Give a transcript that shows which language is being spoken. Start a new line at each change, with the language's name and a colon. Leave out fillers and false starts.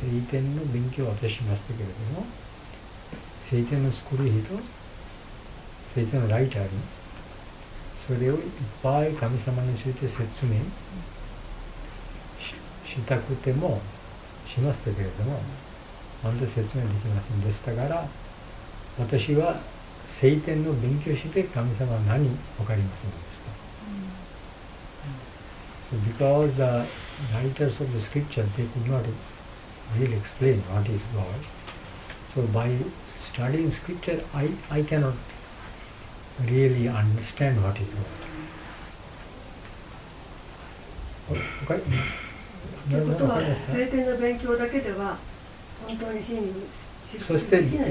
Japanese: 聖典の勉強を私しましたけれども、聖典の作る人、聖典のライターに、それをいっぱい神様について説明 したくても、しましたけれども、まだ説明できませんでしたから、私は聖典の勉強して神様は何わかりませんでした。
English: Because the writers of the scripture, they could not really explain what is God. So by studying scripture, I cannot really understand what is God. Okay?
Japanese: ということは、聖典の勉強だけでは本当に真理に知ることができない。